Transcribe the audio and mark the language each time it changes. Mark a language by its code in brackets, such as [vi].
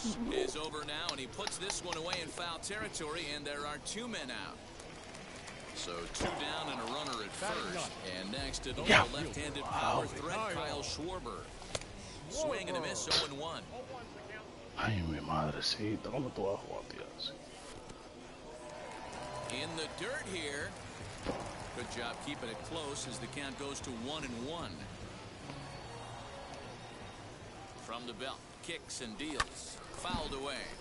[en] Is over now, and he puts this one away in foul territory, and there are two men out. So two down and a runner at first, and next to the left-handed power threat, Kyle Schwarber. Swing and a miss, 0-1. [es] Ay, mi madrecita, ¿cómo tú vas a jugar, tío? [en] In the dirt here. Good job keeping it close as the count goes to 1-1. From the belt. Kicks and deals. Fouled away.